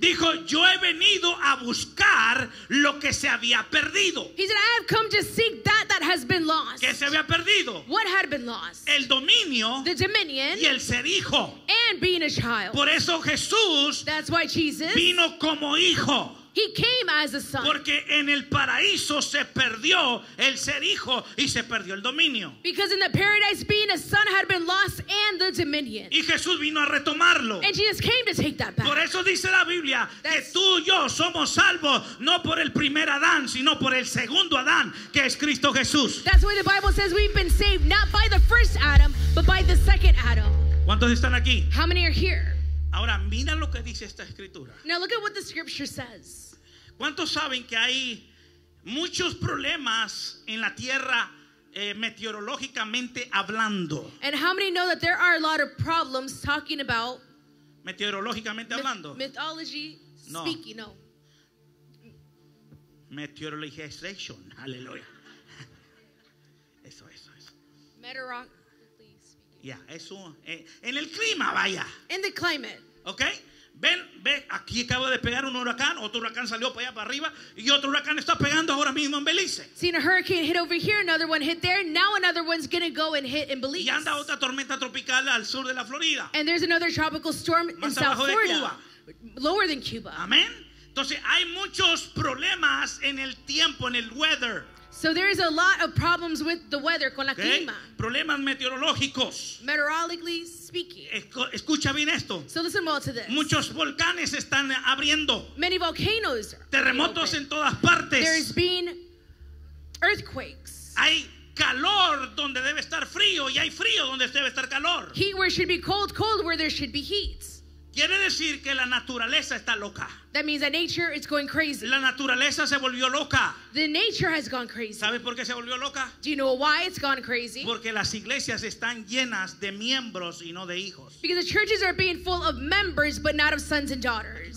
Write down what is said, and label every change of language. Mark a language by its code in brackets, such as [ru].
[es] dijo, yo he venido a buscar lo que se había perdido. [en] He said, I have come to seek that that has been lost. [es] ¿Qué se había perdido? [en] What had been lost? [es] El dominio, [en] the dominion, [es] y el ser hijo, [en] and being a child. [es] Por eso Jesús, [en] that's why Jesus, [es] vino como hijo. [en] He came as a son. [es] Porque en el paraíso se perdió el ser hijo y se perdió el dominio. [en] Because in the paradise being a son had been lost and the dominion. [es] Y Jesús vino a retomarlo. [en] And Jesus came to take that back. [es] Por eso dice la Biblia, [en] that's, [es] que tú y yo somos salvos no por el primer Adán, sino por el segundo Adán, que es Cristo Jesús. [en] That's why the Bible says we've been saved not by the first Adam, but by the second Adam. [es] ¿Cuántos están aquí? [en] How many are here? [es] Ahora mira lo que dice esta escritura. [en] Now look at what the scripture says. [es] ¿Cuántos saben que hay muchos problemas en la tierra meteorológicamente hablando? [en] And how many know that there are a lot of problems talking about [es] meteorológicamente hablando? [en] Mythology speaking, no. Meteorologization, hallelujah. [es] Eso, eso, eso. [en] Meteorologically speaking. [es] En el clima, vaya. [en] In the climate. [es] Okay, ven, aquí acaba de pegar un huracán, otro huracán salió para allá para arriba y otro huracán está pegando ahora mismo en Belice. [en] Seen a hurricane hit over here, another one hit there, now another one's gonna go and hit in Belize. [es] Y anda otra tormenta tropical al sur de la Florida. [en] And there's another tropical storm [es] más [en] in South [es] abajo [en] Florida, [es] de Cuba. [en] Lower than Cuba. [es] Amén. Entonces hay muchos problemas en el tiempo, en el weather. [en] So there is a lot of problems with the weather, [es] con la clima. Problemas meteorológicos. [en] Meteorologically speaking. [es] Escucha bien esto. [en] So listen well to this. [es] Muchos volcanes están abriendo. [en] Many volcanoes. [es] Terremotos en todas partes. [en] There is being earthquakes. [es] Hay calor donde debe estar frío y hay frío donde debe estar calor. [en] Heat where should be cold, cold where there should be heat. [es] Quiere decir que la naturaleza está loca. [en] That means that nature is going crazy. [es] La naturaleza se volvió loca. [en] The nature has gone crazy. [es] ¿Sabes por qué se volvió loca? [en] Do you know why it's gone crazy? [es] Porque las iglesias están llenas de miembros y no de hijos. [en] Because the churches are being full of members but not of sons and daughters.